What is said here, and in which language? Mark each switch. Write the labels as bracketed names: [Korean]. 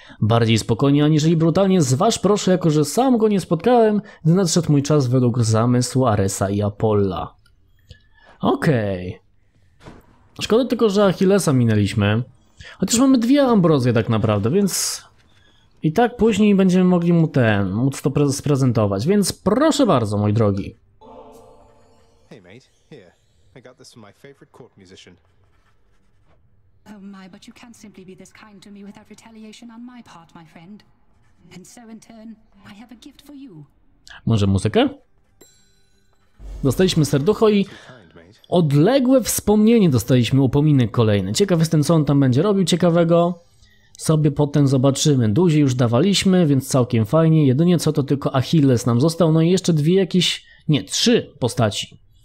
[Polish] Bardziej spokojnie, aniżeli brutalnie, zważ proszę, jako że sam go nie spotkałem, gdy nadszedł mój czas według zamysłu Aresa i Apolla. Okej. Okay. Szkoda tylko, że Achillesa minęliśmy. Chociaż mamy dwie Ambrozje tak naprawdę, więc... I tak później będziemy mogli mu ten... móc to sprezentować. Więc proszę bardzo, mój drogi. [English] Hey mate, here. I got this from my favorite court musician. Oh my, but you can't simply be this kind to me without retaliation on my part, my friend. And so in turn, I have a gift for you. [Polish] Może muzykę? Dostaliśmy serducho i... odległe wspomnienie dostaliśmy, upominek kolejny. Ciekaw jestem, co on tam będzie robił ciekawego. Sobie potem zobaczymy. Duzi już dawaliśmy, więc całkiem fajnie. Jedynie co, to tylko Achilles nam został. No i jeszcze dwie jakieś... nie, trzy postaci.